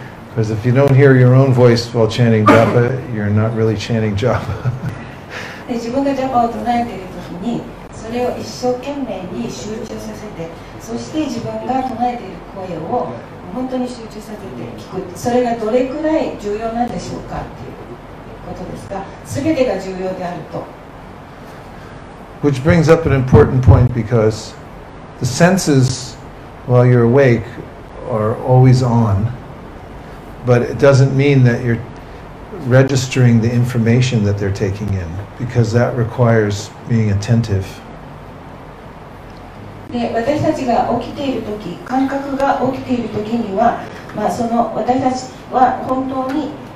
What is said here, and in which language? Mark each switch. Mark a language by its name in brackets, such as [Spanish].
[English] Because if you don't hear your own voice while chanting Japa, you're not really chanting Japa. [Japanese] 自分がジャパを唱えているときに、それを一生懸命に集中させて、そして自分が唱えている声を本当に集中させて聞く。それがどれくらい重要なんでしょうかっていうことですが、すべてが重要であると。 [English] Which brings up an important point, because the senses while you're awake are always on. But it doesn't mean that you're registering the information that they're taking in, because that requires being attentive. [Japanese] で、私たちが起きているとき、感覚が起きているときには、まあ、その私たちは本当に、